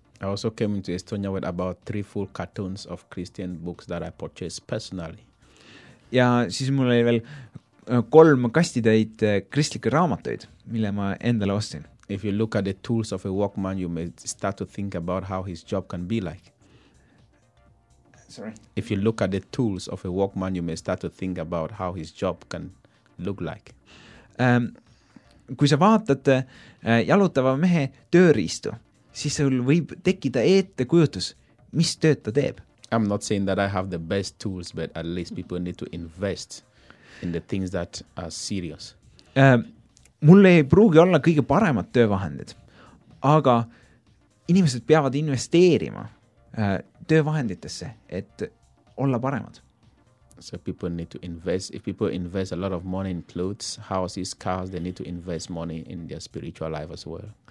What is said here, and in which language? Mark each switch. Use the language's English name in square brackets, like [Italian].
[English] I also came into Estonia with about 3 full cartons of Christian books that I purchased personally. [Estonian] Ja siis mul oli veel 3 kastitäit kristlikke raamatuid, mille ma endale ostin. [English] If you look at the tools of a workman, you may start to think about how his job can be like. Sorry. If you look at the tools of a workman, you may start to think about how his job can look like. [Estonian] Kui sa vaatad jalutava mehe tööriistu, siis sul võib tekida ette kujutus, mis tööd ta teeb. [English] I'm not saying that I have the best tools, but at least people need to invest in the things that are serious. [Estonian] Mul ei pruugi olla kõige paremad töövahendid, aga inimesed peavad investeerima töövahenditesse, et olla paremad. [English] So people need to invest. If people invest a lot of money in clothes, houses, cars, they need to invest money in their spiritual life as well.